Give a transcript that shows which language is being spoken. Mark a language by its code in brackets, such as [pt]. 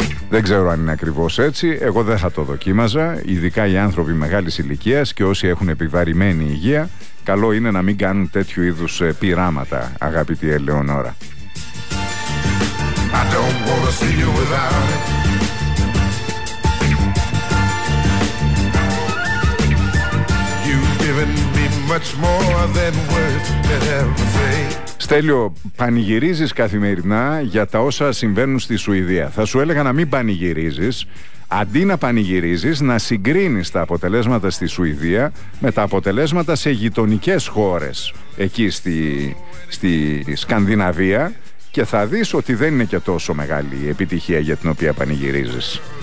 [el] Δεν ξέρω αν είναι ακριβώς έτσι, εγώ δεν θα το δοκίμαζα, ειδικά οι άνθρωποι μεγάλης ηλικίας και όσοι έχουν επιβαρημένη υγεία, καλό είναι να μην κάνουν τέτοιου είδους πειράματα, αγαπητή Ελεονόρα. [en] I don't wanna see you without it. You've given me much more than words could ever say. [el] Στέλιο, πανηγυρίζεις καθημερινά για τα όσα συμβαίνουν στη Σουηδία. Θα σου έλεγα να μην πανηγυρίζεις. Αντί να πανηγυρίζεις, να συγκρίνεις τα αποτελέσματα στη Σουηδία με τα αποτελέσματα σε γειτονικές χώρες εκεί στη Σκανδιναβία και θα δεις ότι δεν είναι και τόσο μεγάλη η επιτυχία για την οποία πανηγυρίζεις.